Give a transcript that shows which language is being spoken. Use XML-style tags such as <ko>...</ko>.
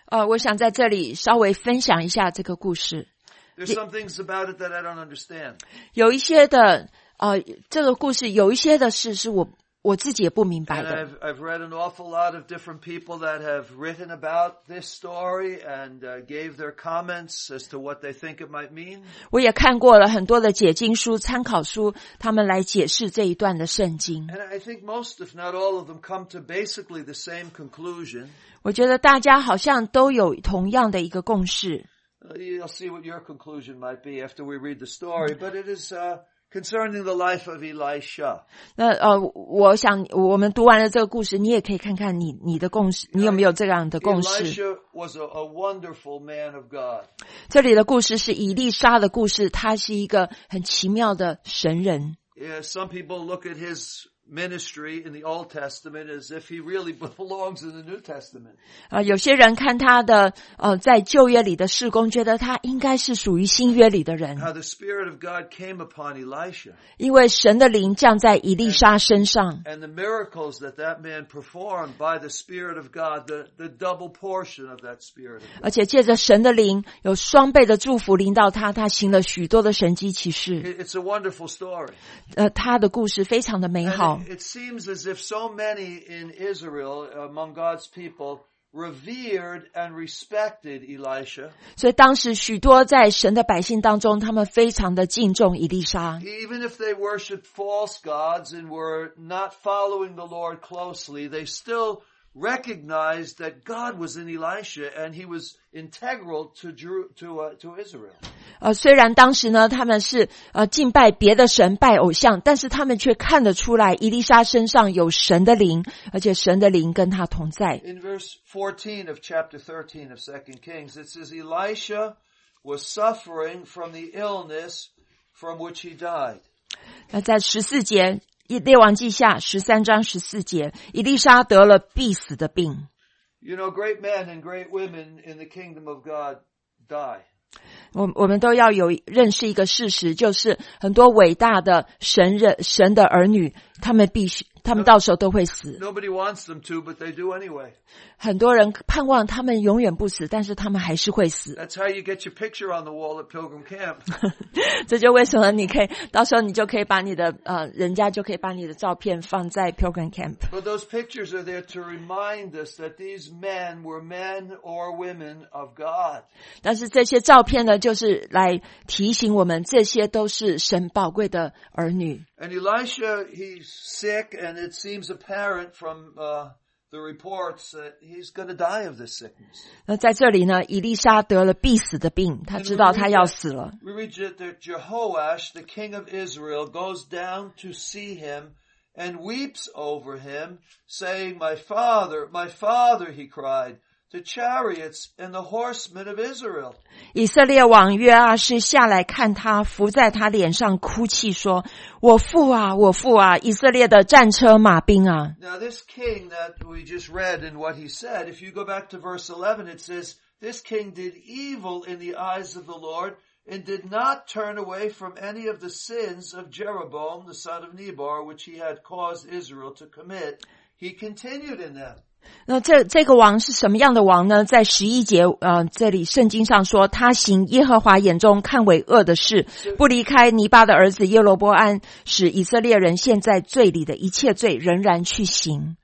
<zh>我想在这里稍微分享一下这个故事。</zh> <en>There's some things about it that I don't understand.</en> <zh>有一些的这个故事有一些的事是我自己也不明白的。</zh> <en>And I've read an awful lot of different people that have written about this story and gave their comments as to what they think it might mean.</en> <zh>我也看过了很多的解经书、参考书，他们来解释这一段的圣经。</zh> <en>And I think most, if not all of them, come to basically the same conclusion.</en> <zh>我觉得大家好像都有同样的一个共识。</zh> <en>You'll see what your conclusion might be after we read the story, but it is, concerning the life of Elisha.</en> <zh>那我想我们读完了这个故事，你也可以看看你的共识，你有没有这样的共识。</zh> <en>Elisha was a wonderful man of God.</en> <zh>这里的故事是以利沙的故事，他是一个很奇妙的神人。</zh> <en>Yeah, some people look at his ministry in the Old Testament as if he really belongs in the New Testament.</en> <zh>有些人看他的在旧约里的事工，觉得他应该是属于新约里的人。</zh> <en>How the Spirit of God came upon Elisha.</en> <zh>因为神的灵降在以利沙身上。</zh> <en>And the miracles that man performed by the Spirit of God, the double portion of that Spirit.</en> <zh>而且借着神的灵，有双倍的祝福临到他，他行了许多的神迹奇事。</zh> <en>It's a wonderful story.</en> <zh>他的故事非常的美好。</zh> <en>It seems as if so many in Israel, among God's people, revered and respected Elisha.</en> <zh>所以当时许多在神的百姓当中，他们非常的敬重以利沙。</zh> <en>Even if they worshipped false gods and were not following the Lord closely, they still recognized that God was in Elisha and he was integral to Israel.</en> <zh>虽然当时呢他们是敬拜别的神拜偶像，但是他们却看得出来以利沙身上有神的灵，而且神的灵跟他同在。</zh> <en>In verse 14 of chapter 13 of 2 Kings, it says Elisha was suffering from the illness from which he died.</en> <zh>那在14节列王记下13章14节，以利沙得了必死的病。</zh> <en>You know, great men and great women in the kingdom of God die.</en> <zh>我们都要有认识一个事实，就是很多伟大的神的儿女，他们到时候都会死。</zh> <en>Nobody wants them to, but they do anyway.</en> <zh>很多人盼望他们永远不死，但是他们还是会死。</zh> <en>That's how you get your picture on the wall at Pilgrim Camp.</en> <zh>这就为什么你可以，到时候你就可以把你的人家就可以把你的照片放在 Pilgrim Camp.</zh> <en>But those pictures are there to remind us that these men were men or women of God.</en> <zh>但是这些照片呢，就是来提醒我们，这些都是神宝贵的儿女。</zh> <en>And Elisha, he's sick, and it seems apparent from the reports that he's going to die of this sickness.</en> <zh>那在这里呢，以利沙得了必死的病，他知道他要死了。</zh> <en>We read that Jehoash, the king of Israel, goes down to see him and weeps over him, saying, my father, he cried. The chariots and the horsemen of Israel.</en> <zh>以色列王约阿施下来看他，伏在他脸上哭泣说，我父啊，我父啊，以色列的战车马兵啊。</zh> <en>Now this king that we just read and what he said, if you go back to verse 11, it says, this king did evil in the eyes of the Lord and did not turn away from any of the sins of Jeroboam, the son of Nebat, which he had caused Israel to commit. He continued in them.</en> <zh>那这个王是什么样的王呢？在十一节，这里圣经上说，他行耶和华眼中看为恶的事，不离开尼巴的儿子耶罗波安，使以色列人陷在罪里的一切罪仍然去行。</zh>